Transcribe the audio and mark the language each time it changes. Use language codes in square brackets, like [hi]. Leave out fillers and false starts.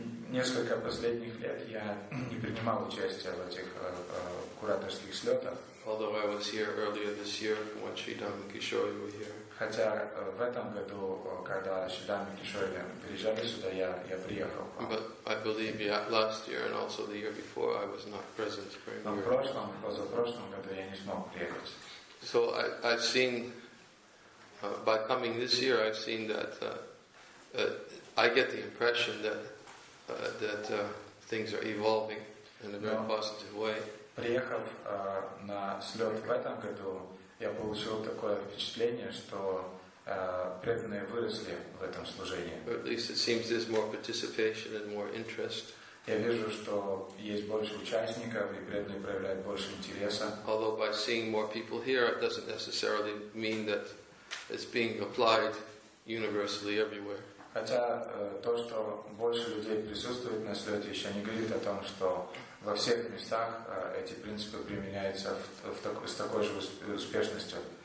[ru] Несколько последних лет я не принимал участие в этих кураторских слетах. [en] Although I was here earlier this year when Shridham and Kishori were here. [ru] Хотя в этом году, когда Shridham and Kishori приезжали сюда, я приехал. [en] But I believe last year and also the year before I was not present very much. [ru] Но в прошлом, позапрошлом году я не смог приехать. [en] So I've seen. By coming this year, I've seen that I get the impression that things are evolving in a very positive way. [ru] Приехав на слет в этом году, я получил такое впечатление, что преданные выросли в этом служении. [en] Or at least it seems there's more participation and more interest. [ru] Я вижу, что есть больше участников, и преданные проявляют больше интереса. [en] Although by seeing more people here, it doesn't necessarily mean that it's being applied universally everywhere. [ru] Хотя то, что больше людей присутствует на слете, еще не говорит о том, что во всех местах эти принципы применяются с такой же успешностью.